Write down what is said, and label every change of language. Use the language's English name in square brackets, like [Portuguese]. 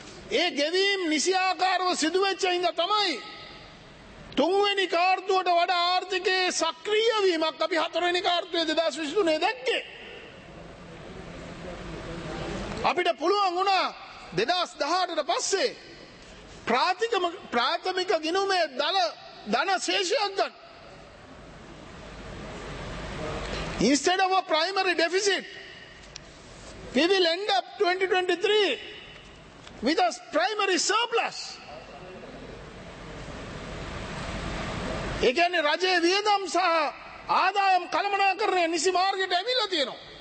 [Sinhala] ඒ ගෙවීම් නිසියාකාරව සිදුවෙච්ච හිඟ තමයි තුන්වෙනි කාර්තුවට වඩා ආර්ථිකයේ සක්‍රීය වීමක් අපි හතරවෙනි කාර්තුවේ 2023 දැක්කේ. අපිට පුළුවන් වුණා 2018 පස්සේ ප්‍රාථමික ගිණුමේ ධන ශේෂයක් ගන්න. [English] Instead of a primary deficit, we will end up 2023 with a primary surplus. [Sinhala] ඒ කියන්නේ රජයේ වියදම් සහ ආදායම් කළමනාකරණය නිසි මාර්ගයට ඇවිල්ලා තියෙනවා.